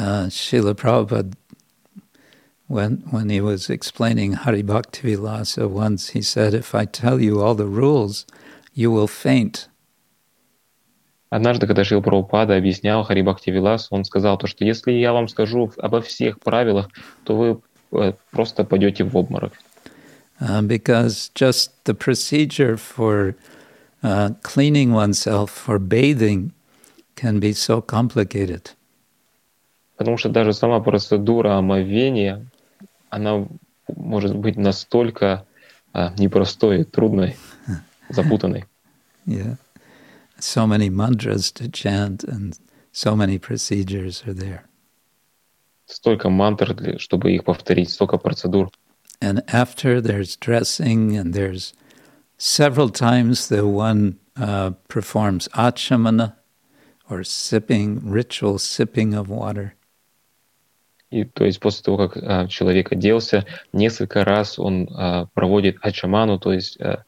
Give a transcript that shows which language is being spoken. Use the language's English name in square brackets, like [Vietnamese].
[English] Шрила Прабхупада, when he was explaining Haribhakti Vilasa once, he said, if I tell you all the rules, you will faint. [Russian] Однажды, когда Шрила Прабхупада объяснял Харибхакти Виласу, он сказал то, что если я вам скажу обо всех правилах, то вы просто пойдете в обморок. [English] Because just the procedure for cleaning oneself, for bathing, can be so complicated. [Russian] Потому что даже сама процедура омовения, она может быть настолько непростой, трудной, запутанной. Yeah. [English] So many mantras to chant and so many procedures are there. [Russian] Столько мантр, чтобы их повторить, столько процедур. [English] And after there's dressing and there's several times the one performs achamana or sipping, ritual sipping of water. [Russian] И то есть после того, как человек оделся, несколько раз он проводит ачаману, то есть